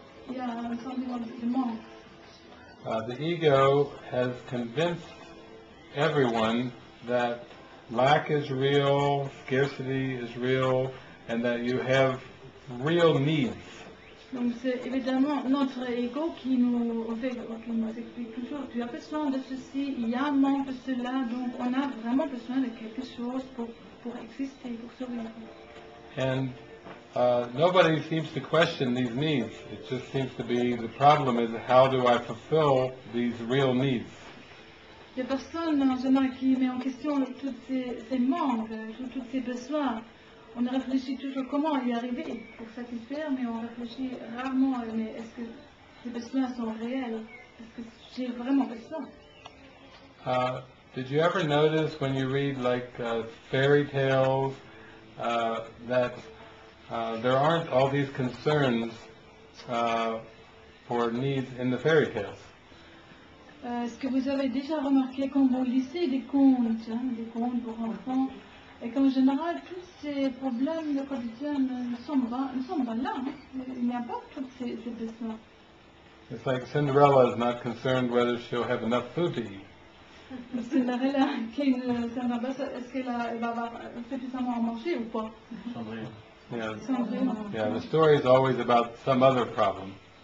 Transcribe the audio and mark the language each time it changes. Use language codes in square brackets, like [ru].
[fr] Il y a un sentiment de manque. [en] The ego has convinced everyone that lack is real, scarcity is real, and that you have real needs. [fr] Donc c'est évidemment notre ego qui nous explique toujours, tu as besoin de ceci, il y a un manque de cela, donc on a vraiment besoin de quelque chose pour exister, pour survivre. [en] And nobody seems to question these needs. It just seems to be the problem is how do I fulfill these real needs. [fr] Il n'y a personne en général qui met en question tous ces manques, tous ces besoins. On réfléchit toujours comment y arriver pour satisfaire, mais on réfléchit rarement, mais est-ce que ces besoins sont réels? Est-ce que j'ai vraiment besoin? [en] Did you ever notice when you read like fairy tales that there aren't all these concerns for needs in the fairy tales? [fr] Est-ce que vous avez déjà remarqué quand vous lisez des contes pour enfants, et qu'en général, tous ces problèmes de quotidien ne sont pas là. Il n'y a pas tous ces besoins. [en] It's like Cinderella is not concerned whether she'll have enough food to eat. [fr] Cinderella, est-ce qu'elle va avoir suffisamment à manger ou pas? Cendrillon. [en] Yeah, the story is always about some other problem.